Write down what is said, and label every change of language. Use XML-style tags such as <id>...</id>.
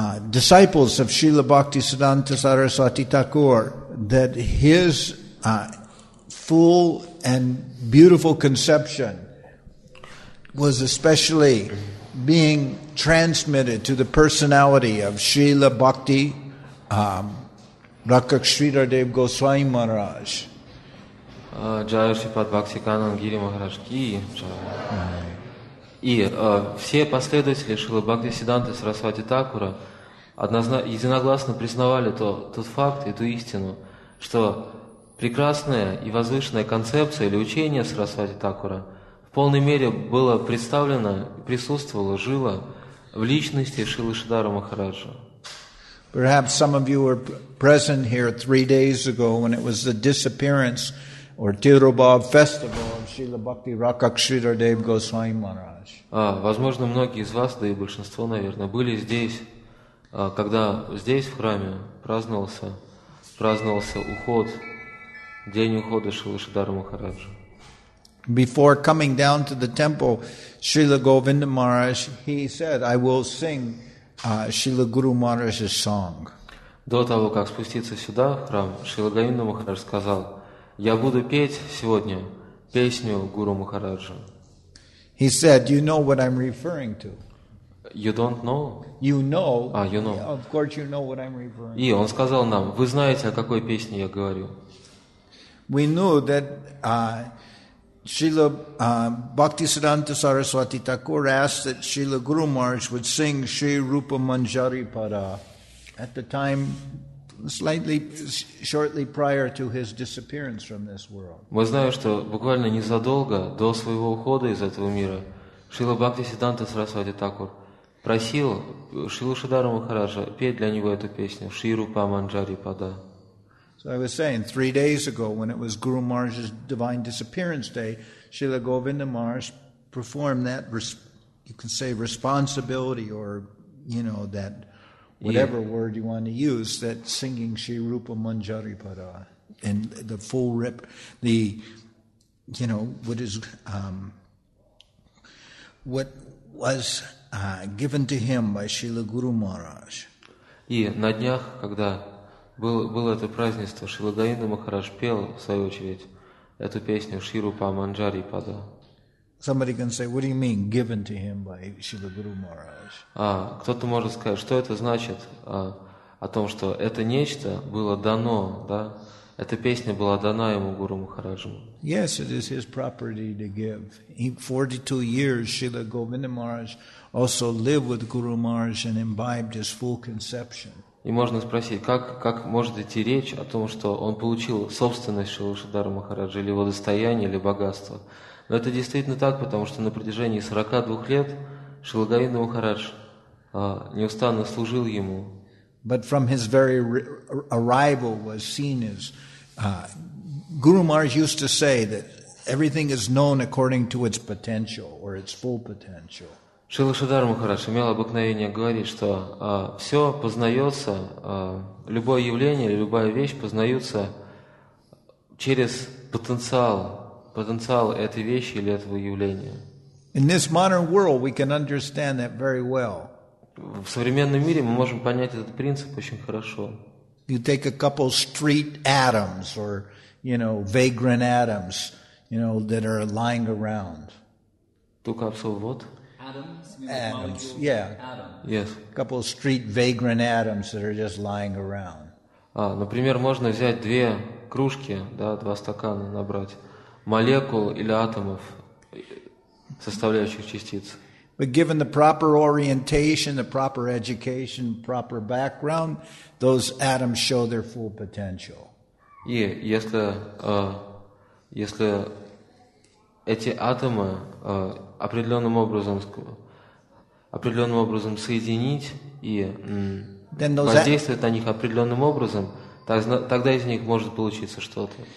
<en>disciples of Srila Bhakti Siddhanta Saraswati Thakur that his full and beautiful conception was especially being transmitted to the personality of Srila Bhakti Rakak Sridhardev Goswami Maharaj.</en> <ru>Джая Шрипад Бхакти Канан Гири Махарадж Ки. И все последователи Шрилы Бхакти Сиддханты Сарасвати Такура единогласно признавали тот факт и ту истину, что прекрасная и возвышенная концепция или учение Сарасвати Такура в полной мере было представлено, присутствовало, жило в личности Шрилы Шридхара Махараджа.</ru> <en>Perhaps some of you were present here 3 days ago when it was the disappearance or Tirubhav festival of Srila Bhakti Rakak Sridhardev Goswami Maharaj.</en> <ru>Возможно, многие из вас, да и большинство, наверное, были здесь, когда здесь, в храме, праздновался уход, день ухода Шрилы Шридхара Махараджа.</ru> <en>Before coming down to the temple, Srila Govinda Maharaj, he said, I will sing Srila Guru Maharaj's song.</en> <ru>До того, как спуститься сюда, в храм, Шрила Говинда Махарадж сказал, я буду петь сегодня песню Гуру Махараджа.</ru> <en>He said, you know what I'm referring to. You don't know? You know. You know. Of course you know what I'm referring to.</en> <ru>И он сказал нам, вы знаете, о какой песне я говорю.</ru> <en>We knew that Srila Bhaktisiddhanta Saraswati Thakur asked that Srila Guru Maharaj would sing Sri Rupa Manjari Pada at the time shortly prior to his disappearance from this world.</en> <ru>Мы знаем, что буквально незадолго до своего ухода из этого мира Шрила Бхактисиддханта Сарасвати Такур просил Шрилу Шридхара Махараджа петь для него эту песню Шри Рупа Манджари Пада.</ru> <en>So I was saying 3 days ago when it was Guru Maharaj's divine disappearance day, Srila Govinda Maharaj performed that you can say responsibility or you know that whatever word you want to use, that singing Sri Rupa Manjari Pada and the full rip, given to him by Srila Guru Maharaj.</en> <ru>И на днях, когда было это празднество, Шрила Говинда Махарадж пел, в свою очередь, эту песню Шри Рупа Манджари Пада.</ru> <en>Somebody can say, what do you mean, given to him by Srila Guru Maharaj?</en> <ru>Кто-то может сказать, что это значит о том, что это нечто было дано, да? Эта песня была дана ему, Гуру Махараджу.</ru> <en>Yes, it is his property to give. In 42 years, Srila Govinda Maharaj also lived with Guru Maharaj and imbibed his full conception.</en> <ru>И можно спросить, как может идти речь о том, что он получил собственность Шрилы Шридхара Махараджа, или его достояние, или богатство? Но это действительно так, потому что на протяжении 42 лет Шрила Говинда Махарадж неустанно служил ему.</ru> <en>But from his very arrival was seen as Guru Maharaj used to say that everything is known according to its potential or its full potential.</en> <ru>Шрила Шридхара Махарадж имел обыкновение говорить, что все познается, любое явление или любая вещь познаются через потенциал. Потенциал этой вещи или этого явления.</ru> <en>In this modern world, we can understand that very well.</en> <ru>В современном мире мы можем понять этот принцип очень хорошо.</ru> <en>You take a couple street atoms or, you know, vagrant atoms, you know, that are lying around.</en> <ru>Ту капсулу вот?</ru> <en>Atoms, yeah. Atoms. Yes. A couple street vagrant atoms that are just lying around.</en> <ru>Например, можно взять две кружки, да, два стакана набрать. Молекул или атомов, составляющих частиц.</ru> <en>But given the proper orientation, the proper education, proper background, those atoms show their full potential.</en> <ru>И если если эти атомы определенным образом соединить и воздействовать на них определенным образом, тогда из них может получиться что-то.</ru>